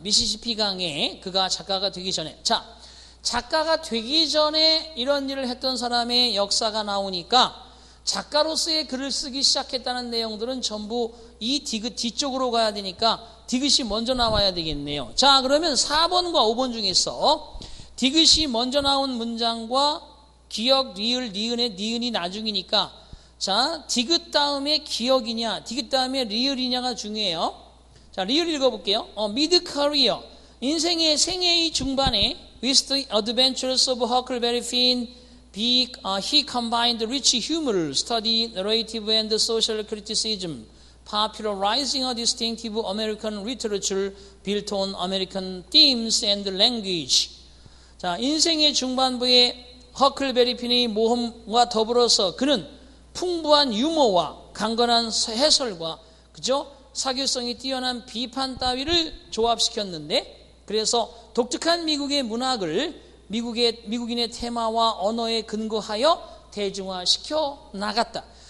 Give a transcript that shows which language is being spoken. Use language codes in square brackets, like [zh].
[ko] 미시시피 강에 그가 작가가 되기 전에. 자, 작가가 되기 전에 이런 일을 했던 사람의 역사가 나오니까 작가로서의 글을 쓰기 시작했다는 내용들은 전부 이 디귿 뒤쪽으로 가야 되니까 디귿이 먼저 나와야 되겠네요. 자, 그러면 4번과 5번 중에서 디귿이 먼저 나온 문장과 기역, 리을, 니은의 니은이 나중이니까, 자, 디귿 다음에 기역이냐 디귿 다음에 리을이냐가 중요해요. 자, 리을 읽어볼게요. [en] Mid career, [ko] 인생의 생애의 중반에 [en] With the adventures of Huckleberry Finn he combined rich humor, study, narrative and social criticism, popularizing a distinctive American literature built on American themes and language. [ko] 자, 인생의 중반부에 허클베리 핀의 모험과 더불어서 그는 풍부한 유머와 강건한 해설과 그죠? 사교성이 뛰어난 비판 따위를 조합시켰는데, 그래서 독특한 미국의 문학을 미국인의 테마와 언어에 근거하여 대중화시켜 나갔다.